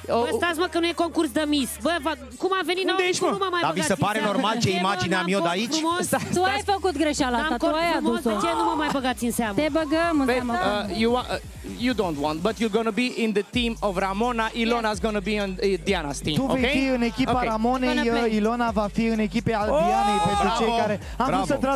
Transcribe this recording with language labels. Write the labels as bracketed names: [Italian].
[Romanian] Bă, stați, mă, că nu e concurs de mis. Bă, cum a venit nou? Nu m-am mai băgat. Dar vi se pare normal ce imagine am eu de aici? Tu ai făcut greșeala asta. Tu ai adus-o. De ce nu mă mai băgați în seamă? Te băgăm în seamă. [English] You don't want, but you're gonna be in the team of Ramona. Ilona's gonna be in Diana's team. [Romanian] Tu vei fi în echipa Ramonei, Ilona va fi în echipa al Dianei, pentru cei care am vrut să trag.